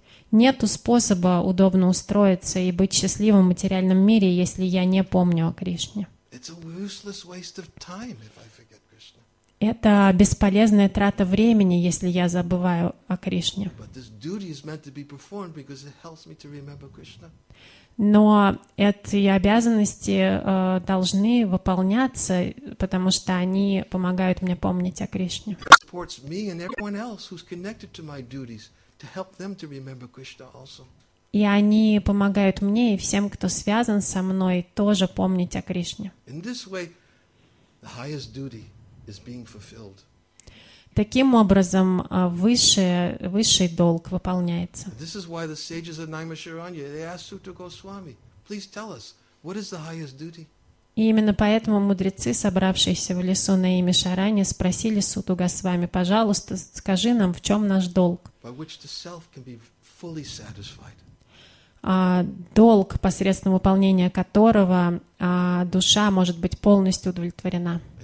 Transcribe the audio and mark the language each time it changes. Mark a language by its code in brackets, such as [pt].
[ru] Нету способа удобно устроиться и быть счастливым в материальном мире, если я не помню о Кришне. [en] It's a useless waste of time if I forget Krishna. [ru] Это бесполезная трата времени, если я забываю о Кришне. [en] But this duty is meant to be performed because it helps me to remember Krishna. [ru] Но эти обязанности должны выполняться, потому что они помогают мне помнить о Кришне. [en] It supports me and everyone else who's connected to my duties to help them to remember Krishna also. [ru] И они помогают мне и всем, кто связан со мной, тоже помнить о Кришне. [en] In this way, the highest duty is being fulfilled. [ru] Таким образом, высший долг выполняется. [en] This is why the sages of Naimisharanya, they asked Suta Goswami, please tell us, what is the highest duty? [ru] И именно поэтому мудрецы, собравшиеся в лесу Наимишаране, спросили Суту Госвами, пожалуйста, скажи нам, в чем наш долг? [en] By which the self can be fully satisfied. [ru] Долг, посредством выполнения которого душа может быть полностью удовлетворена.